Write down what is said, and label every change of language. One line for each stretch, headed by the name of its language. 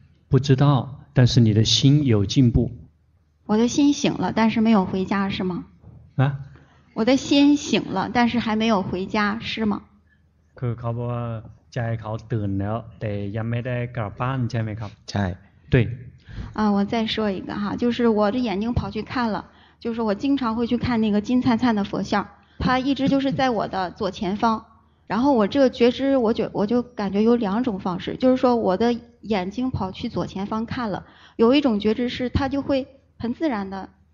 Chinese: 不知道但是你的心有进步我的心醒了但是没有回家是吗啊我的心醒了但是还没有回家是吗
Thai: คือเขาบอกว่าใจเขาตื่นแล้วแต่ยังไม่ได้กลับบ้านใช่ไหมครับ ใช่
Chinese: 对我再说一个哈就是我的眼睛跑去看了就是我经常会去看那个金灿灿的佛像它一直就是在我的左前方然后我这个觉知我就感觉有两种方式就是说我的眼睛跑去左前方看了有一种觉知是它就会很自然的